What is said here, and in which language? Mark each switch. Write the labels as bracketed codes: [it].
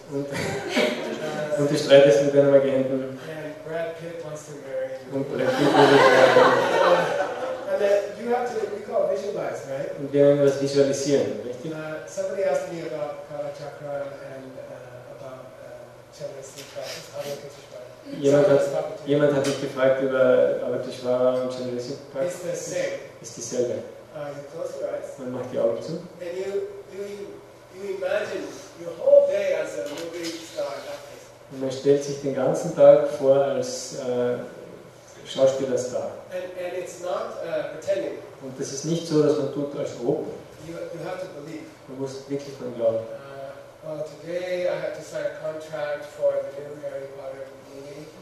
[de] Und du streitest mit deinem Agenten. [en] And Brad Pitt wants to marry you. [de] Und Brad Pitt will dich heiraten. [en] And then you have to, we call it visualize, right? [de] Und wir nennen das Visualisieren, richtig? [en] Somebody asked me about Kala Chakra and about Chandrasekhar. [de] Jemand hat mich gefragt über Avalokiteshvara und Chandrasekhar. [en] It's the same. [de] Ist dieselbe. Man macht die Augen zu. [en] And you imagine your whole day as a movie star. [de] Und man stellt sich den ganzen Tag vor als Schauspielerstar. [en] And it's not pretending. [de] Und das ist nicht so, dass man tut als ob. [en] You have to believe. [de] Man muss wirklich dran glauben. [en] Well, today I have to sign a contract for the new Harry Potter movie.